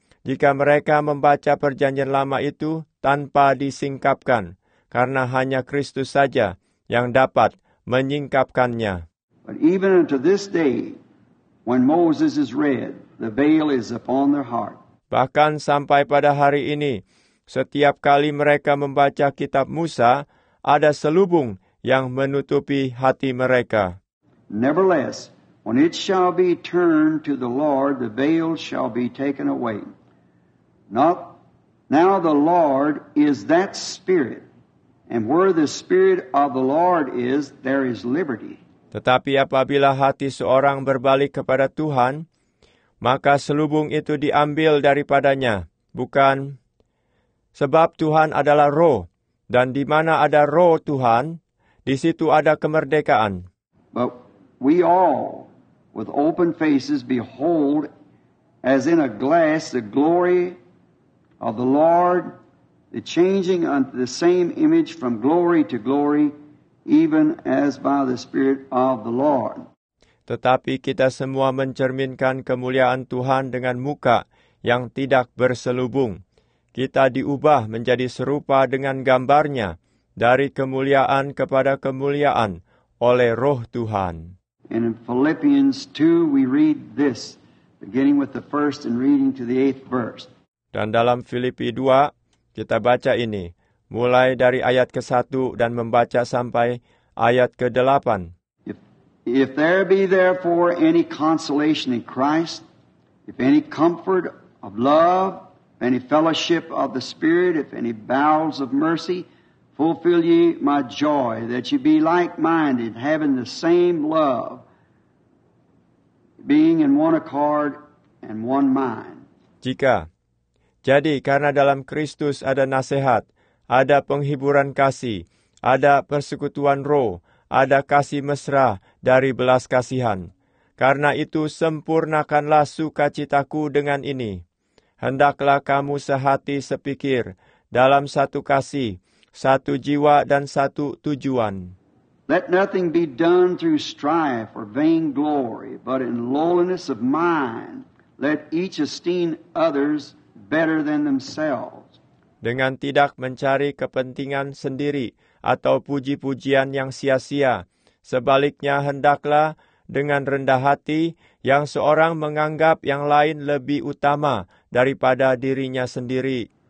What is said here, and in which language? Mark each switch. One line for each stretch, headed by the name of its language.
Indonesian: Jika mereka membaca perjanjian lama itu tanpa disingkapkan, karena hanya Kristus saja yang dapat menyingkapkannya.
English: But even unto this day, when Moses is read, the veil is upon their heart.
Indonesian: Bahkan sampai pada hari ini, setiap kali mereka membaca kitab Musa, ada selubung yang menutupi hati mereka.
English: Nevertheless, when it shall be turned to the Lord, the veil shall be taken away. Now the Lord is that Spirit, and where the Spirit of the Lord is, there is liberty.
Indonesian: Tetapi apabila hati seorang berbalik kepada Tuhan, maka selubung itu diambil daripadanya, bukan? Sebab Tuhan adalah Roh, dan di mana ada Roh Tuhan, di situ ada kemerdekaan.
English: But we all, with open faces, behold, as in a glass, the glory of the Lord, the changing unto the same image from glory to glory, even as by the Spirit of the Lord.
Indonesian: Tetapi kita semua mencerminkan kemuliaan Tuhan dengan muka yang tidak berselubung. Kita diubah menjadi serupa dengan gambarnya dari kemuliaan kepada kemuliaan oleh Roh Tuhan.
English: In Philippians 2, we read this, beginning with the first and reading to the eighth verse.
Indonesian: Dan dalam Filipi 2, kita baca ini, mulai dari ayat ke-1 dan membaca sampai ayat ke-8.
English: If there be therefore any consolation in Christ, if any comfort of love, if any fellowship of the Spirit, if any bowels of mercy, fulfill ye my joy, that ye be like-minded, having the same love, being in one accord and one mind.
Indonesian: Jika, jadi karena dalam Kristus ada nasihat, ada penghiburan kasih, ada persekutuan roh, ada kasih mesra dari belas kasihan. Karena itu sempurnakanlah sukacitaku dengan ini. hendaklah kamu sehati sepikir, dalam satu kasih, satu jiwa dan satu tujuan.
English: Let nothing be done through strife or vain glory, but in lowliness of mind, let each esteem others better than themselves.
Indonesian: Dengan tidak mencari kepentingan sendiri atau puji-pujian yang sia-sia, sebaliknya hendaklah dengan rendah hati yang seorang menganggap yang lain lebih utama daripada dirinya sendiri.